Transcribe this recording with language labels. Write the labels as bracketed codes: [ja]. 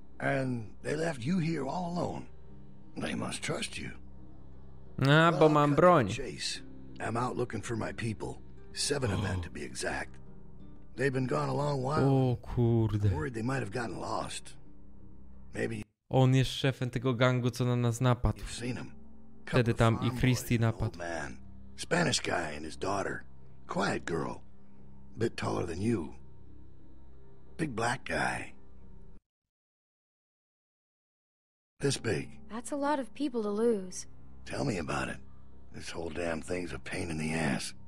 [en] And they left you here all alone. They must trust you. [pl] A, bo mam broń. [en] I'm out looking for my people. Seven of them to be exact. They've been gone a long while. [pl] O kurde. [en] I'm worried they might have gotten lost. Maybe. [pl] On jest szefem tego gangu, co na nas napadł. [en] You've seen him. [pl] Wtedy tam i Christy napadł. [en] Spanish guy and his daughter. Quiet girl. Bit taller than you. Big black guy. This big. That's a lot of people to lose. Tell me about it. This whole damn thing's a pain in the ass.